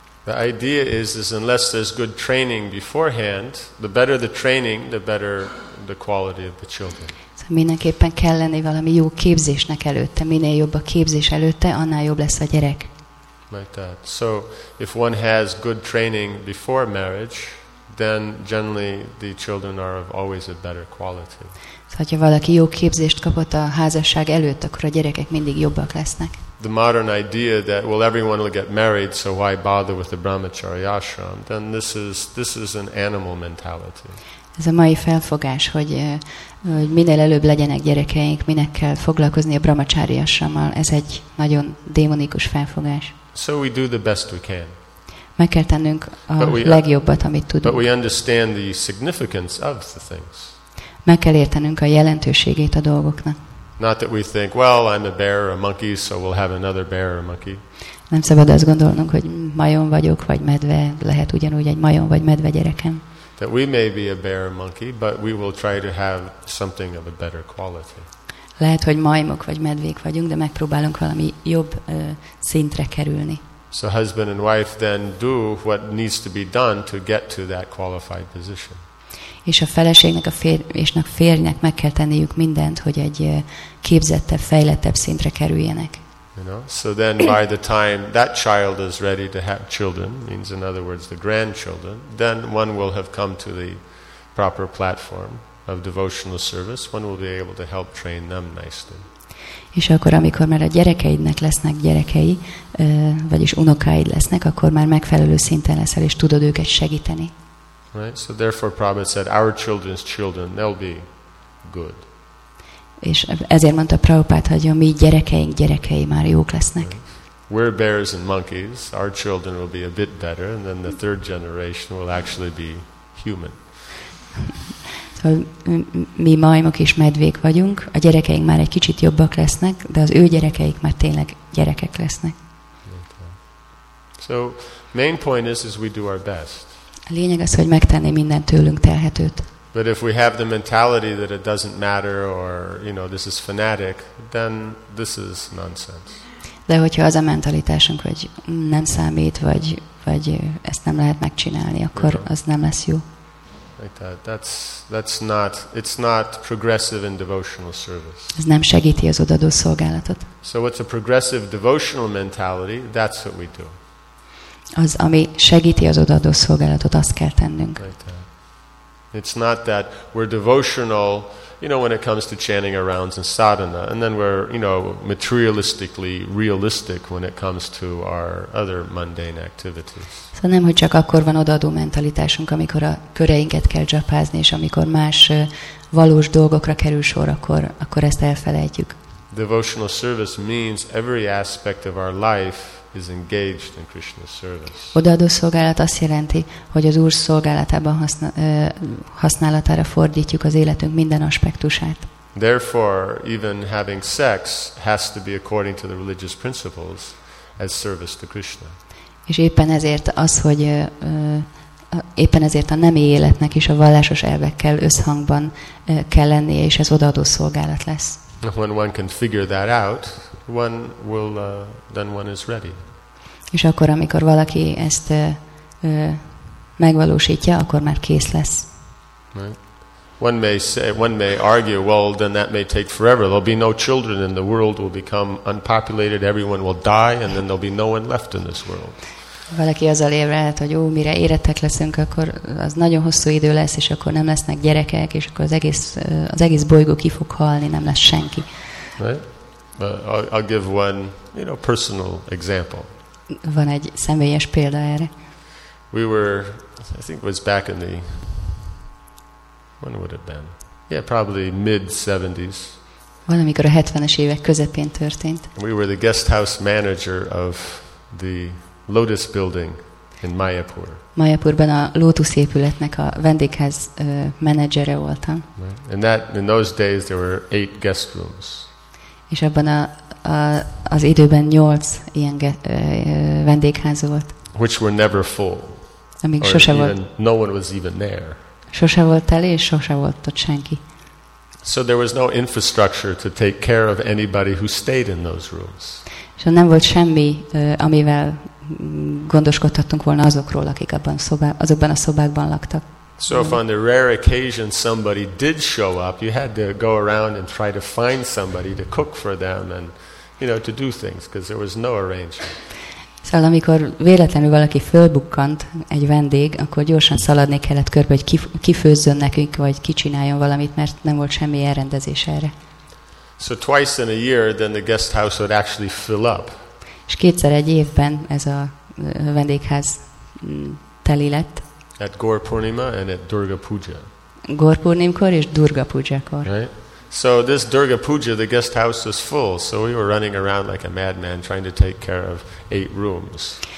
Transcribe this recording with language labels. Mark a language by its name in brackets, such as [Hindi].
[English] The idea is unless there's good training beforehand, the better the training, the better the quality of the children. [Hungarian] Mindenképpen kell lenni valami jó képzésnek előtte, minél jobb a képzés előtte, annál jobb lesz a gyerek. [English] Like that. So if one has good training before marriage, then generally the children are of always a better quality. [Hungarian] Szóval, hogyha valaki jó képzést kapott a házasság előtt, akkor a gyerekek mindig jobbak lesznek. [English] The modern idea that well everyone will get married, so why bother with the brahmacharya ashram? Then this is an animal mentality. [Hungarian] Ez a mai felfogás, hogy minél előbb legyenek gyerekeink, minek kell foglalkozni a brahmacharya ashrammal. Ez egy nagyon démonikus felfogás. [English] So we do the best we can. [Hungarian] Meg kell tennünk a legjobbat, amit tudunk. [English] But we understand the significance of the things. [Hungarian] Meg kell értenünk a jelentőségét a dolgoknak. [English] Not that we think, well, I'm a bear or a monkey, so we'll have another bear or a monkey. [Hungarian] Nem szabad azt gondolnunk, hogy majom vagyok, vagy medve, lehet ugyanúgy egy majom vagy medve gyerekem. [English] That we may be a bear or monkey, but we will try to have something of a better quality. [Hungarian] Lehet, hogy majmok vagy medvék vagyunk, de megpróbálunk valami jobb szintre kerülni. [English] So husband and wife then do what needs to be done to get to that qualified position. [Hungarian] És a feleségnek a férjnek meg kell tenniük mindent, hogy egy képzettebb, fejlettebb szintre kerüljenek. [English] You know? So then by the time that child is ready to have children, means in other words the grandchildren, then one will have come to the proper platform of devotional service, one will be able to help train them nicely. [Hungarian] És akkor, amikor már a gyerekeidnek lesznek gyerekei, vagyis unokáid lesznek, akkor már megfelelő szinten leszel, és tudod őket segíteni. [English] Right? So therefore Prabhupada said, our children's children, they'll be good. [Hungarian] És ezért mondta Prabhupada, hogy a mi gyerekeink gyerekei már jók lesznek. [English] Right? We're bears and monkeys, our children will be a bit better, and then the third generation will actually be human. [Hungarian] Szóval mi majmok és medvék vagyunk, a gyerekeink már egy kicsit jobbak lesznek, de az ő gyerekeik már tényleg gyerekek lesznek. [English] So, main point is we do our best. [Hungarian] A lényeg az, hogy megtenni mindent tőlünk telhetőt. [English] But if we have the mentality that it doesn't matter or, you know, this is fanatic, then this is nonsense. [Hungarian] De hogyha az a mentalitásunk, hogy nem számít, vagy ezt nem lehet megcsinálni, akkor az nem lesz jó. [English] Like that's not, it's not progressive in devotional service. [Hungarian] Ez nem segíti az odaadó szolgálatot. [English] So what's a progressive devotional mentality? That's what we do. [Hungarian] Az, ami segíti az odaadó szolgálatot, azt kell tennünk. [English] Like that. It's not that we're devotional, you know, when it comes to chanting our rounds and sadhana, and then we're, you know, materialistically realistic when it comes to our other mundane activities. [Hungarian] Szóval nem, hogy csak akkor van odaadó mentalitásunk, amikor a köreinket kell japázni, és amikor más valós dolgokra kerül sor, akkor ezt elfelejtjük. [English] Devotional service means every aspect of our life is engaged in Krishna's service. [Hungarian] Odaadó szolgálat azt jelenti, hogy az Úr szolgálatában használatára fordítjuk az életünk minden aspektusát. [English] Therefore, even having sex has to be according to the religious principles as service to Krishna. [Hungarian] És éppen ezért az, hogy éppen ezért a nemi életnek is a vallásos elvekkel összhangban kell lennie, és ez odaadó szolgálat lesz. [English] When one can figure that out, one will then one is ready. [Hungarian] És akkor, amikor valaki ezt megvalósítja, akkor már kész lesz. [English] Right. One may argue, well, then that may take forever. There'll be no children and the world will become unpopulated. Everyone will die and then there'll be no one left in this world. [Hungarian] Valaki azzal érvelhet, hogy mire érettek leszünk, akkor az nagyon hosszú idő lesz, és akkor nem lesznek gyerekek, és akkor az egész bolygó ki fog halni, nem lesz senki. [English] I'll give one, you know, personal example. [Hungarian] Van egy személyes példa erre. [English] We were, I think it was back in the, when would it have been? Yeah, probably mid-70s. [Hungarian] Valamikor a 70-es évek közepén történt. [English] We were the guest house manager of the Lotus building in Mayapur. [Hungarian] Mayapurban a Lotus épületnek a vendégház menedzsere voltam. [English] Right. And that in those days there were 8 guest rooms. [Hungarian] És abban az időben 8 ilyen vendégház volt. [English] Which were never full. [Hungarian] Amíg sose volt. [English] No one was even there. [Hungarian] Sose volt tele, és sose volt ott senki. [English] So there was no infrastructure to take care of anybody who stayed in those rooms. [Hungarian] És nem volt semmi, amivel gondoskodhattunk volna azokról, akik azokban a szobákban laktak. [English] So if on the rare occasion somebody did show up, you had to go around and try to find somebody to cook for them and, you know, to do things, because there was no arrangement. [Hungarian] Szóval amikor véletlenül valaki fölbukkant, egy vendég, akkor gyorsan szaladni kellett körbe, hogy kifőzzön nekünk, vagy kicsináljon valamit, mert nem volt semmi elrendezés erre. [English] So twice in a year, then the guest house would actually fill up. [Hungarian] És kétszer egy évben ez a vendégház teli lett. [English] At Gaur Purnima and at Durga Puja. [Hungarian] Gaur Purnimkor és Durga Pujakor. [English] Right? So this Durga Puja, the guest house was full, so we were running around like a madman trying to take care of 8 rooms.